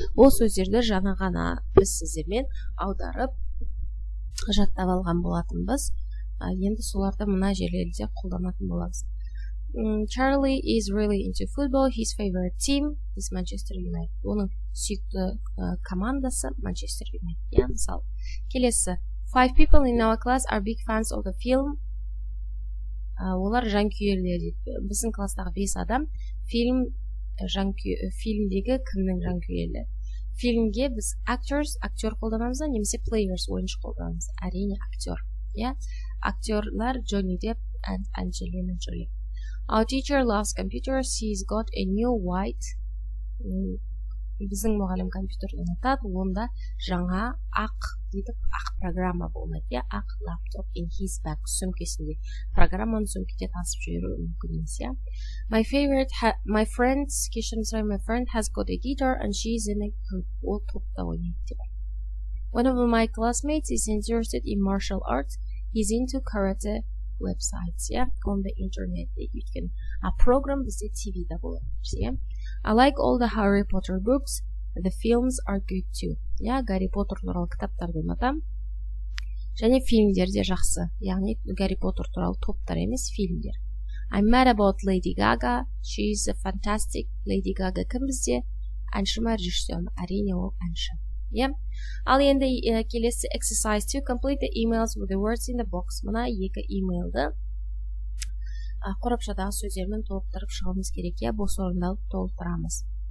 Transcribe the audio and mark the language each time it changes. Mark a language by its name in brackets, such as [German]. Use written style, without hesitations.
[Kazakh] Ол сөздерді жаңа ғана біз сіздермен аударып жаттап алған болатынбыз. Енді соларды мына жерлерде қолданатын боламыз. [English] Charlie is really into football. His favorite team is Manchester United. [Kazakh] Оның сүйікті командасы Manchester United. Yeah, мысал. Келесі. [English] Five people in our class are big fans of the film. [Kazakh] Олар жанкүйерлер. Біздің кластағы 5 адам фильмдегі кімнің жанкүйерлері? Фильмге біз actors, актер қолданамыз, немесе players, ойыншы қолданамыз. Әрине, актер. Актерлар Джонни Депп and Анджелина Джоли. [English] Our teacher loves computers. She's got a new white. [Kazakh] Біздің мұғалім компьютерді ұнатады. Онда жаңа ақ дейді, ақ программа болмайды. Ақ лаптоп [English] in his bag [Kazakh] сөмкесінде. Программаны сөмкеде тасып жүру мүмкін емес. [English] My friend has got a guitar and she is in a group. [Kazakh] Ол топта ойнайды. [English] One of my classmates is interested in martial arts. He's into karate websites. On the internet. [Kazakh] Өйткені программ бізде TV-да болады. [English] I like all the Harry Potter books. The films are good too. [Kazakh] Гарри Поттер туралы кітаптарды ұнатам. Және фильмдер де жақсы. Яғни, Гарри Поттер туралы топтар емес, фильмдер. [English] I'm mad about Lady Gaga. She's a fantastic Lady Gaga. [Kazakh] Кім бізде? Әнші ма, режиссер ма? Әрине ол әнші. Ал енді келесі [English] exercise 2. Complete the emails with the words in the box. [Kazakh] Мына екі емейлді қорапшадағы сөздермен толықтырып шығамыз керек, бос орындалып толықтырамыз.